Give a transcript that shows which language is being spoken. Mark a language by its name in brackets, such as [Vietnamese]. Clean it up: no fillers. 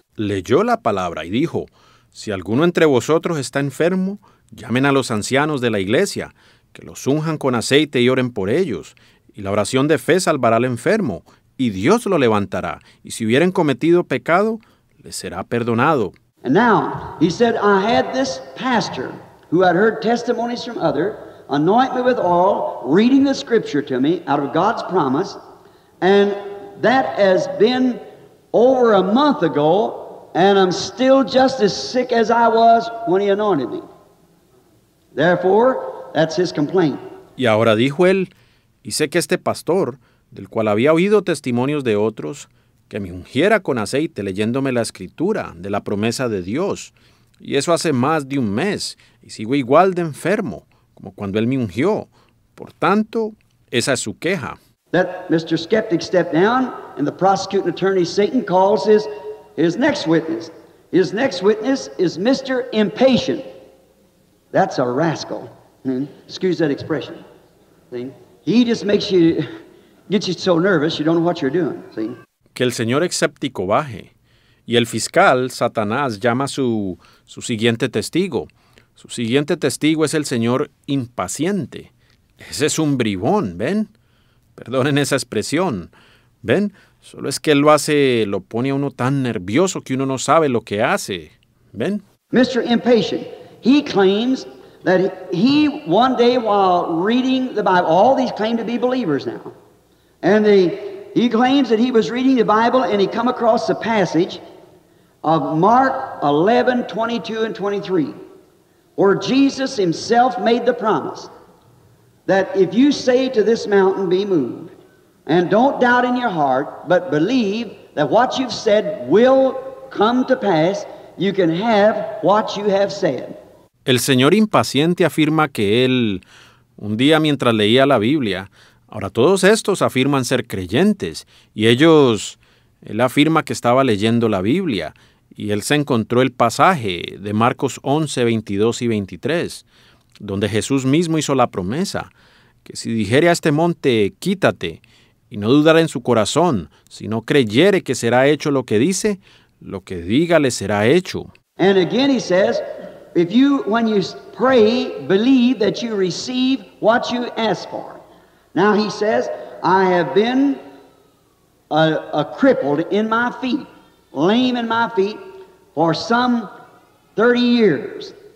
[Spanish] Leyó la palabra y dijo, si alguno entre vosotros está enfermo, llamen a los ancianos de la iglesia, que los unjan con aceite y oren por ellos. Y la oración de fe salvará al enfermo, y Dios lo levantará. Y si hubieren cometido pecado, les será perdonado. [English] And now, he said, I had this pastor, who had heard testimonies from others, anoint me with oil, reading the scripture to me, out of God's promise, and that has been over a month ago, and I'm still just as sick as I was when he anointed me. Therefore, that's his complaint. [Spanish] Y ahora dijo él, y sé que este pastor, del cual había oído testimonios de otros, que me ungiera con aceite leyéndome la escritura de la promesa de Dios, y eso hace más de un mes, y sigo igual de enfermo como cuando él me ungió. Por tanto, esa es su queja. [English] That Mr. Skeptic stepped down, and the prosecuting attorney Satan calls his next witness. His next witness is Mr. Impatient. That's a rascal. Excuse that expression. See? He just makes you, gets you so nervous you don't know what you're doing. See? [Spanish] Que el señor escéptico baje. Y el fiscal, Satanás, llama a su siguiente testigo. Su siguiente testigo es el señor Impaciente. Ese es un bribón, ¿ven? Perdonen esa expresión. ¿Ven? Solo es que él lo pone a uno tan nervioso que uno no sabe lo que hace. ¿Ven? [English] Mr. Impatient, he claims that he one day while reading the Bible, all these claim to be believers now, and he claims that he was reading the Bible and he come across the passage of Mark 11, 22 and 23, where Jesus himself made the promise that if you say to this mountain, be moved, and don't doubt in your heart, but believe that what you've said will come to pass, you can have what you have said. [Spanish] El señor Impaciente afirma que él, un día mientras leía la Biblia, Ahora, todos estos afirman ser creyentes, y ellos... Él afirma que estaba leyendo la Biblia, y él se encontró el pasaje de Marcos 11, 22 y 23, donde Jesús mismo hizo la promesa, que si dijere a este monte, quítate, y no dudare en su corazón, sino creyere que será hecho lo que dice, lo que diga le será hecho. [English] And again he says, if you, when you pray, believe that you receive what you ask for. Now he says, I have been a crippled in my feet, lame in my feet for some 30 years.